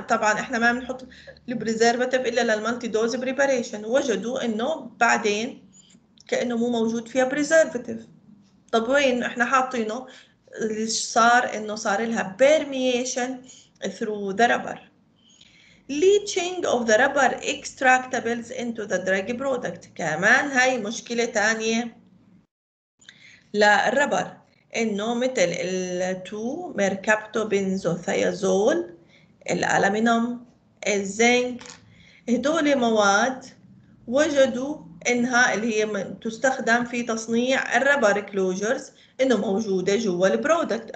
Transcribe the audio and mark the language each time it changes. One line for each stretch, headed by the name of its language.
Arabic: طبعا احنا ما بنحط البريزرفاتيف الا للمالتي دوز بريباريشن، وجدوا انه بعدين كانه مو موجود فيها بريزرفاتيف. طب وين احنا حاطينه؟ اللي صار انه صار لها
English: Permeation through the rubber. Leaching of the rubber extractables into the drug product.
Arabic: كمان هاي مشكلة تانية للربر، إنه مثل الـ 2 ميركابتوبنزوثيازول، الألمنيوم، الزنك، هدول مواد وجدوا إنها اللي هي تستخدم في تصنيع الربر كلوجرز إنه موجودة جوا البرودكت.